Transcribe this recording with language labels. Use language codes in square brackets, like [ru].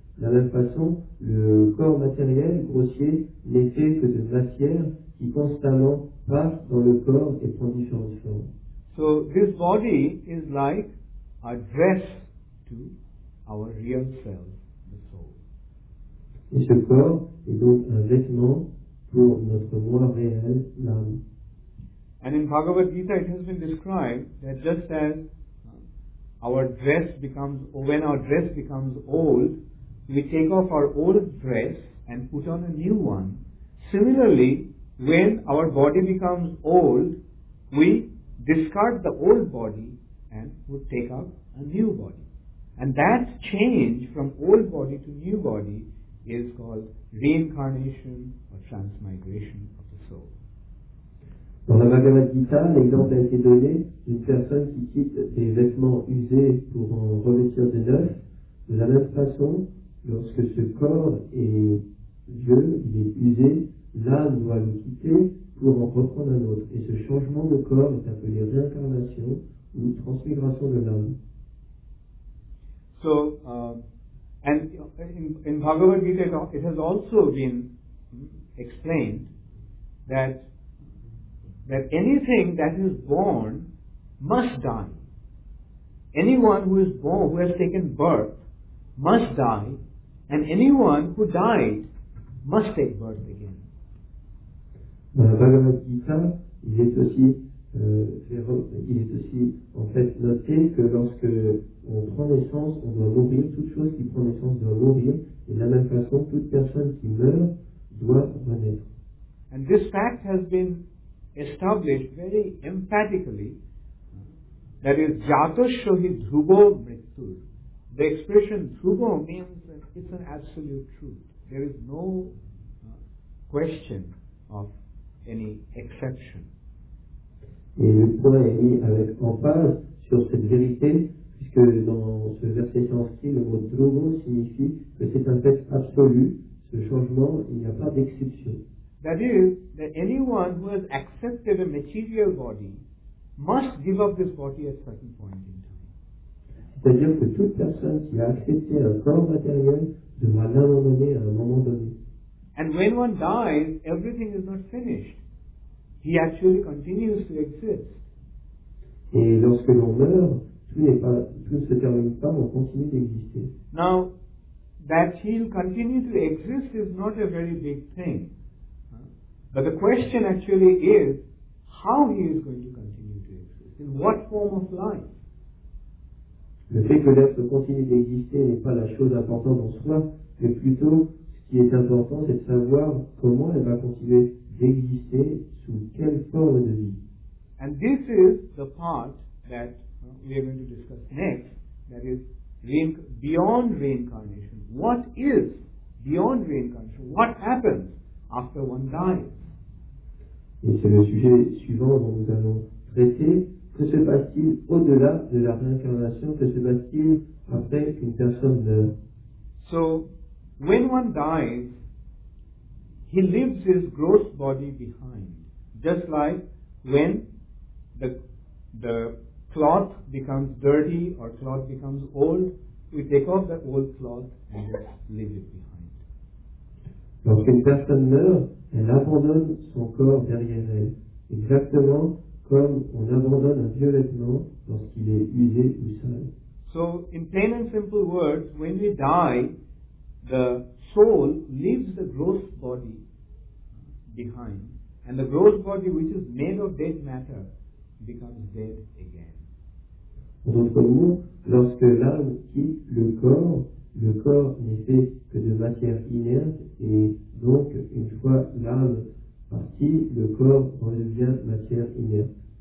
[fr] De la même façon, le corps matériel, grossier, n'est fait que de matière qui constamment passe dans le corps et prend différentes formes. [en] So this body is like a dress to our real self, the soul. [fr] Et ce corps est donc un vêtement pour notre moi réel, l'âme. [en] And in Bhagavad Gita it has been described that just as our dress becomes, when our dress becomes old, we take off our old dress and put on a new one. Similarly, when our body becomes old, we discard the old body and would take up a new body. And that change from old body to new body is called reincarnation or transmigration of the soul. [fr] Dans la Bhagavad Gita, l'exemple a été donné d'une personne qui quitte des vêtements usés pour en revêtir de neuf. De la même façon, lorsque ce corps est vieux, il est usé, l'âme doit le quitter pour en reprendre un autre. Et ce changement de corps est appelé réincarnation ou transmigration de l'âme. [en] So, and in Bhagavad Gita, it has also been explained that anything that is born must die. Anyone who is born, who has taken birth, must die, and anyone who died must take birth again. [fr] Dans la Bhagavad Gita, il est aussi en fait noté que lorsque on prend naissance, on doit mourir. Toute chose qui prend naissance doit mourir. Et de la même façon, toute personne qui meurt doit renaître. [en] And this fact has been established very emphatically. That is, [sa] jatashohi dhrubo mrittur. [en] The expression dhrubo means that it's an absolute truth. There is no question of any exception. [fr] Et le point est mis avec emphase sur cette vérité, puisque dans ce verset sanskrit, le mot dhrubo signifie que c'est un fait absolu, ce changement, il n'y a pas d'exception. [en] That is, that anyone who has accepted a material body must give up this body at a certain point in time. [fr] C'est-à-dire que toute personne qui a accepté un corps matériel devra l'abandonner à un moment donné. [en] And when one dies, everything is not finished. He actually continues to exist. [fr] Et lorsque l'on meurt, tout se termine pas, on continue d'exister. [en] Now, that he'll continue to exist is not a very big thing. But the question actually is, how he is going to continue to exist? In what form of life? [fr] Le fait que l'être continue d'exister n'est pas la chose importante en soi, mais plutôt qui est important, c'est de savoir comment elle va continuer d'exister, sous quelle forme de vie. [en] And this is the part that we are going to discuss next, that is, beyond reincarnation. What is beyond reincarnation? What happens after one dies? [fr] Et c'est le sujet suivant dont nous allons traiter. Que se passe-t-il au-delà de la réincarnation? Que se passe-t-il après qu'une personne meurt? [en] So, when one dies, he leaves his gross body behind. Just like when the cloth becomes dirty or cloth becomes old, we take off that old cloth and just leave it behind. [fr] Lorsqu'une personne meurt, elle abandonne son corps derrière elle. Exactement comme on abandonne un vieux vêtement lorsqu'il est usé ou sale. [en] So, in plain and simple words, when we die, the soul leaves the gross body behind, and the gross body, which is made of dead matter, becomes dead again. [fr] En d'autres mots, lorsque l'âme quitte le corps n'est fait que de matière inerte, et donc une fois l'âme partie, le corps redevient matière inerte.